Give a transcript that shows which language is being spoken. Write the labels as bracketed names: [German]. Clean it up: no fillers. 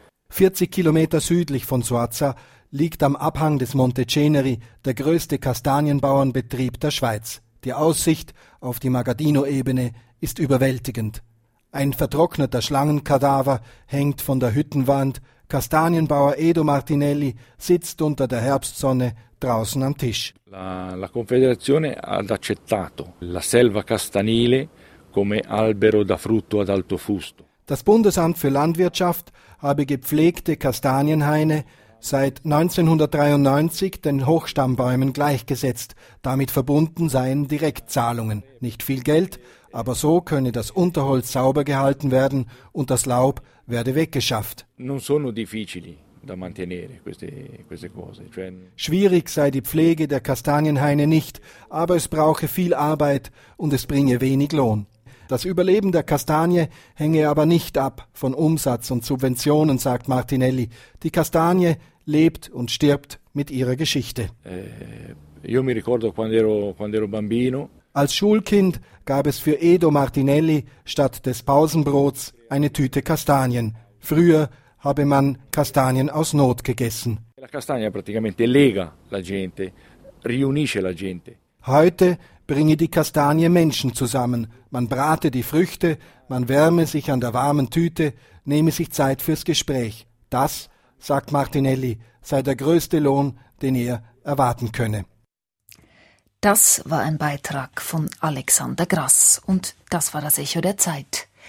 [German] 40 Kilometer südlich von Soazza liegt am Abhang des Monte Ceneri der grösste Kastanienbauernbetrieb der Schweiz. Die Aussicht auf die Magadino-Ebene ist überwältigend. Ein vertrockneter Schlangenkadaver hängt von der Hüttenwand. Kastanienbauer Edo Martinelli sitzt unter der Herbstsonne draußen am Tisch. [Italian] La Confederazione ha accettato la selva castanile come albero da frutto ad alto fusto. [German] Das Bundesamt für Landwirtschaft habe gepflegte Kastanienhaine seit 1993 den Hochstammbäumen gleichgesetzt. Damit verbunden seien Direktzahlungen. Nicht viel Geld, aber so könne das Unterholz sauber gehalten werden und das Laub werde weggeschafft. [Italian] Non sono difficili da mantenere queste cose. Cioè... [German] Schwierig sei die Pflege der Kastanienhaine nicht, aber es brauche viel Arbeit und es bringe wenig Lohn. Das Überleben der Kastanie hänge aber nicht ab von Umsatz und Subventionen, sagt Martinelli. Die Kastanie lebt und stirbt mit ihrer Geschichte. [Italian] Io mi ricordo quando ero bambino. [German] Als Schulkind gab es für Edo Martinelli statt des Pausenbrots eine Tüte Kastanien. Früher habe man Kastanien aus Not gegessen. [Italian] La castagna praticamente lega la gente, riunisce la gente. [German] Heute bringe die Kastanie Menschen zusammen. Man brate die Früchte, man wärme sich an der warmen Tüte, nehme sich Zeit fürs Gespräch. Das, sagt Martinelli, sei der größte Lohn, den er erwarten könne. Das war ein Beitrag von Alexander Grass und das war das Echo der Zeit.